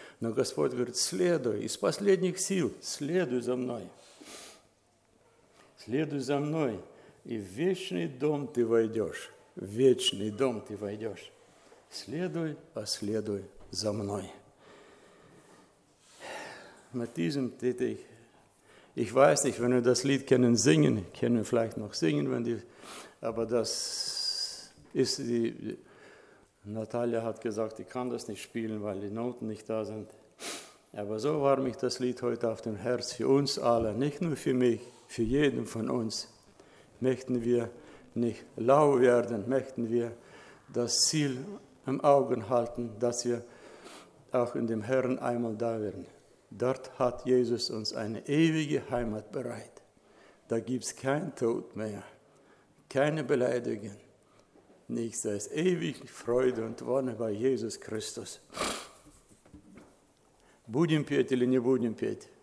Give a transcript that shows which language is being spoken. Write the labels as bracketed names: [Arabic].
[Russian] Но Господь говорит, следуй, из последних сил, следуй за мной, и в вечный дом ты войдешь, в вечный дом ты войдешь, следуй, последуй за мной. [German] Matthäusen, [Russian] ты, [German] ich weiß nicht, wenn wir das Lied können singen, können wir vielleicht noch singen, wenn die Aber das ist die, Natalia hat gesagt, ich kann das nicht spielen, weil die Noten nicht da sind. Aber so war mich das Lied heute auf dem Herz für uns alle, nicht nur für mich, für jeden von uns. Möchten wir nicht lau werden, möchten wir das Ziel im Auge halten, dass wir auch in dem Herrn einmal da werden. Dort hat Jesus uns eine ewige Heimat bereit. Da gibt es keinen Tod mehr. Keine Beleidigung, nichts als ewige Freude und Wonne bei Jesus Christus. [Russian] Будем петь или не будем петь?